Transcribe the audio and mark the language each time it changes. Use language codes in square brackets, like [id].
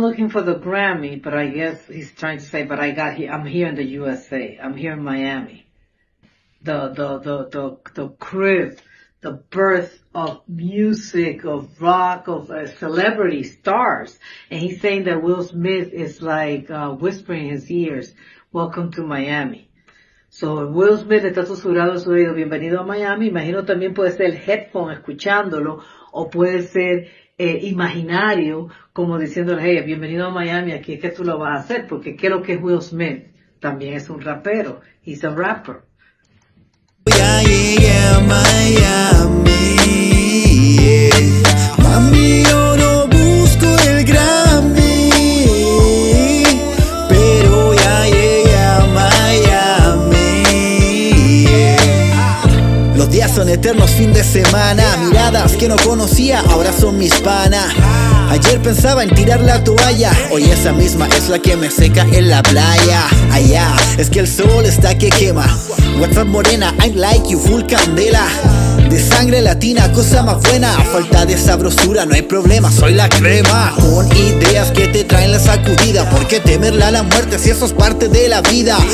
[en] For the Grammy, but I guess he's trying to say, but I'm here in the USA, I'm here in Miami, the crib, the birth of music, of rock, of celebrity stars, and he's saying that Will Smith is like whispering in his ears, welcome to Miami. [es] So Will Smith está susurrando su oído, bienvenido a Miami. Imagino también puede ser el headphone escuchándolo, o puede ser imaginario, como diciéndole, hey, bienvenido a Miami, aquí es que tú lo vas a hacer, porque ¿qué es lo que es Will Smith? También es un rapero, [en] he's a rapper. [es] Ya llegué a Miami, yeah. Mami, yo no busco el Grammy, pero ya llegué a Miami, yeah. Los días son eternos, fin de semana, miradas que no conocía, ahora son mis panas. Ayer pensaba en tirar la toalla, hoy esa misma es la que me seca en la playa. Allá, es que el sol está que quema. [en] What's up, morena, I like you, full candela. [es] De sangre latina, cosa más buena. A falta de sabrosura, no hay problema, soy la crema. Con ideas que te traen la sacudida. ¿Por qué temerle a la muerte si eso es parte de la vida?